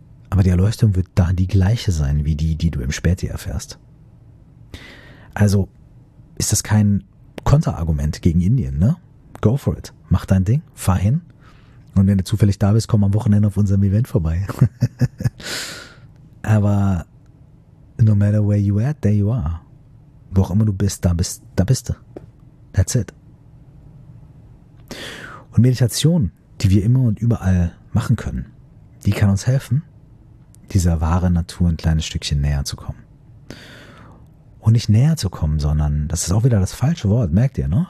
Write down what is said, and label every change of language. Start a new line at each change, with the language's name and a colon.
German: Aber die Erleuchtung wird da die gleiche sein, wie die, die du im Späti erfährst. Also ist das kein Konterargument gegen Indien, ne?
English: Go for it.
German: Mach dein Ding, fahr hin. Und wenn du zufällig da bist, komm am Wochenende auf unserem Event vorbei. Aber
English: no matter where you are, there you are.
German: Wo auch immer du bist, da bist du.
English: That's it.
German: Und Meditation, die wir immer und überall machen können, die kann uns helfen, dieser wahren Natur ein kleines Stückchen näher zu kommen. Und nicht näher zu kommen, sondern, das ist auch wieder das falsche Wort, merkt ihr, ne?